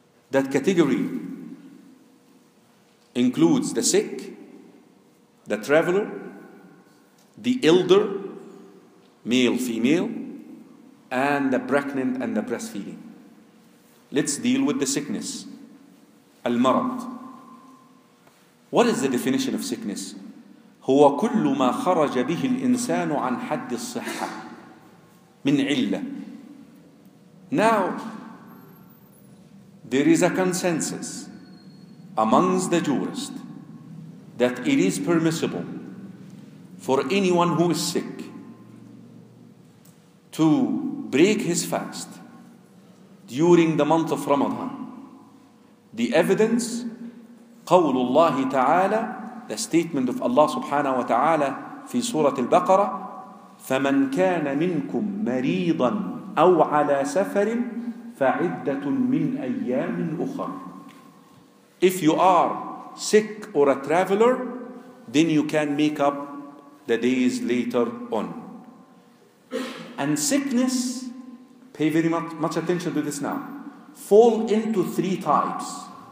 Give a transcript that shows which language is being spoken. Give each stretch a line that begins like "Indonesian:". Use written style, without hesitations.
English: That category includes the sick, the traveler, the elder, male, female, and the pregnant and the breastfeeding. Let's deal with the sickness.
Arabic: المرض.
English: What is the definition of sickness?
Arabic: هو كل ما خرج به الإنسان عن حد الصحة من علة.
English: Now, there is a consensus amongst the jurists that it is permissible for anyone who is sick to break his fast during the month of Ramadan. The evidence,
Arabic: قول الله تعالى,
English: the statement of Allah subhanahu wa ta'ala
Arabic: في سورة البقرة, فَمَنْ كَانَ مِنْكُمْ مَرِيضًا أَوْ عَلَى سَفَرٍ فَعِدَّةٌ مِنْ أَيَّامٍ أُخَرٍ.
English: If you are sick or a traveler, then you can make up the days later on. And sickness, pay very much attention to this now, fall into three types.